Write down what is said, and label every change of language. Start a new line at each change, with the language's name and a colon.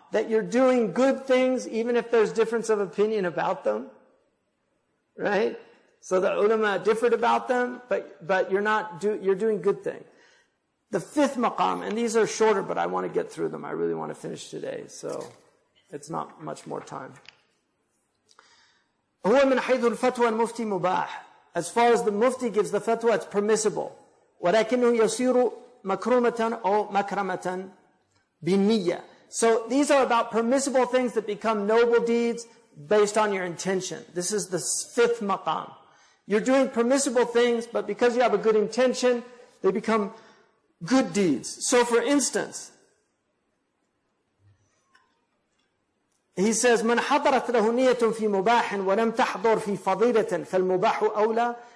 English: That you're doing good things, even if there's difference of opinion about them. Right? So the ulama differed about them, but you're doing good things. The fifth maqam, and these are shorter, but I want to get through them. I really want to finish today, so it's not much more time.
Arabic: هو من حيث الفتوى المفتي مباح.
English: As far as the mufti gives the fatwa, it's permissible.
Arabic: ولكنه يصير مكرمة أو مكرمة بالنية.
English: So these are about permissible things that become noble deeds based on your intention. This is the fifth maqam. You're doing permissible things, but because you have a good intention, they become good deeds. So for instance, he says,
Arabic: مَنْ حَضَرَتْ لَهُ نِيَةٌ فِي مُبَاحٍ وَلَمْ تَحْضُرْ فِي فَضِيلَةٍ فَالْمُبَاحُ أَوْلَى.